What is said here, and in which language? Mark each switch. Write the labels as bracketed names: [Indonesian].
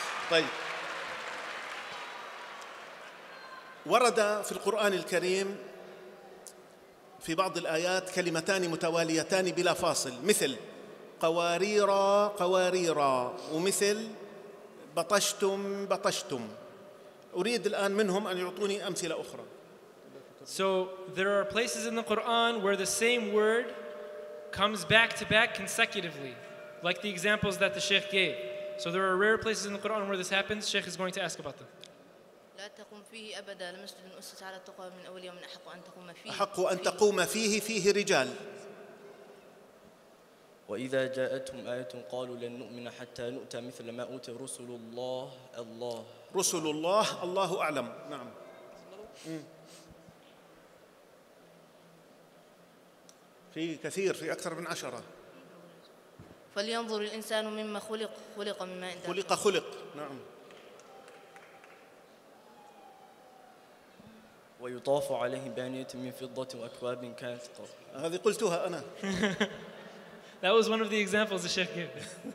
[Arabic] طيب ورد في القرآن الكريم في بعض الآيات كلمتان متواليتان بلا فاصل، مثل قواريرا قواريرا ومثل بطشتم بطشتم. أريد الآن منهم أن يعطوني أمثلة أخرى. [English] So there are places in the Quran where the same word comes back to back consecutively, like the examples that the Sheikh gave. So there are rare places in the Quran where this happens. Sheikh is going to ask about them. [Arabic] لا تقوم فيه أبدا لمسجد أسس على التقوى من أول يوم أحق أن تقوم فيه. أحق أن تقوم فيه، فيه رجال. وإذا جاءتهم آية قالوا لن نؤمن حتى نؤتى مثل ما أوتى رسل الله. الله. رسل الله، الله أعلم. نعم. في كثير، في أكثر من عشرة. فلينظر الإنسان مما خلق، خلق مما إن خلق خلق. نعم. ويطاف عليه بآنية من فضة وأكواب كانت قرب. هذه قلتها أنا. [English] That was one of the examples the Sheikh gave.